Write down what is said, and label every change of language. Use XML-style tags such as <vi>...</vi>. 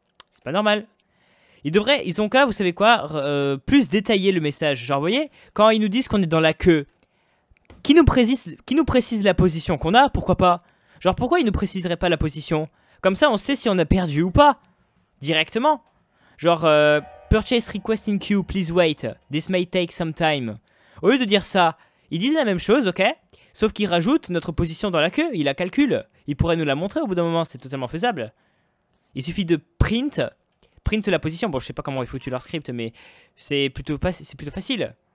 <fr>C'est pas normal. Ils ont quoi, vous savez quoi, plus détailler le message. Genre, vous voyez, quand ils nous disent qu'on est dans la queue, qui nous précise la position qu'on a, pourquoi pas? Genre, pourquoi ils ne préciseraient pas la position? Comme ça, on sait si on a perdu ou pas, directement.</fr> <en>Genre, purchase request in queue, please wait. This may take some time.</en> <fr>Au lieu de dire ça, ils disent la même chose, ok? Sauf qu'ils rajoutent notre position dans la queue, ils la calculent. Ils pourraient nous la montrer au bout d'un moment, c'est totalement faisable. Il suffit de print la position. Bon, je sais pas comment ils foutent leur script, mais c'est plutôt facile.</fr>